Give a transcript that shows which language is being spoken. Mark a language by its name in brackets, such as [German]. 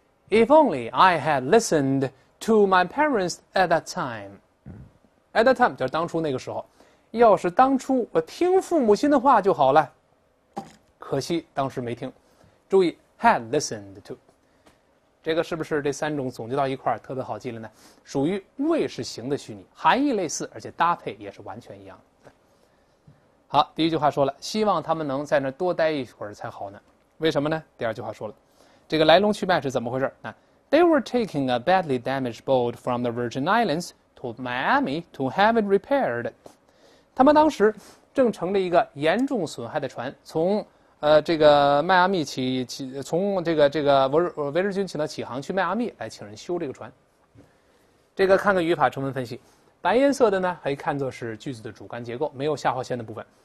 [English] If only I had listened to my parents at that time， at that time [Chinese] 就是当初那个时候。要是当初我听父母亲的话就好了。可惜当时没听，注意 [English] had listened to， [Chinese] 这个是不是这三种总结到一块儿特别好记了呢？属于谓是形的虚拟，含义类似，而且搭配也是完全一样。好，第一句话说了，希望他们能在那多待一会儿才好呢，为什么呢？第二句话说了，这个来龙去脉是怎么回事？ [English] 那 They were taking a badly damaged boat from the Virgin Islands to Miami to have it repaired。 [Chinese] 他们当时正乘着一个严重损害的船从。这个迈阿密从这个维持军起呢起航去迈阿密来请人修这个船。这个看个语法成分分析，白颜色的呢可以看作是句子的主干结构，没有下划线的部分。